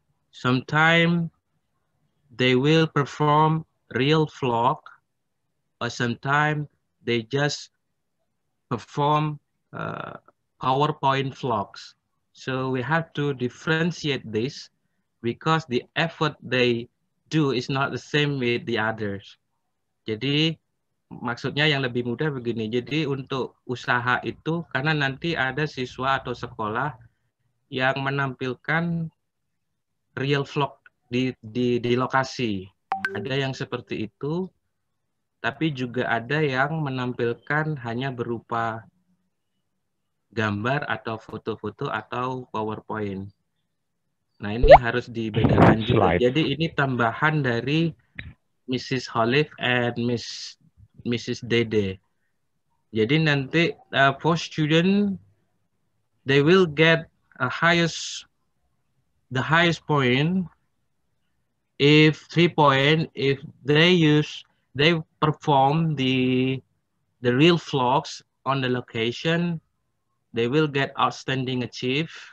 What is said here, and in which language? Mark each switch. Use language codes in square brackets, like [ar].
[en] Sometime they will perform real flock, or sometime they just perform PowerPoint flocks. So we have to differentiate this because the effort they do is not the same with the others. [id] Jadi maksudnya yang lebih mudah begini. Jadi untuk usaha itu, karena nanti ada siswa atau sekolah yang menampilkan real vlog di lokasi. Ada yang seperti itu, tapi juga ada yang menampilkan hanya berupa gambar atau foto-foto atau PowerPoint. Nah, ini harus dibedakan juga. Jadi ini tambahan dari Mrs. Halif and Mrs. Dede. Jadi nanti [en] for student they will get the highest point if 3 points if they perform the real vlogs on the location, they will get outstanding achieve,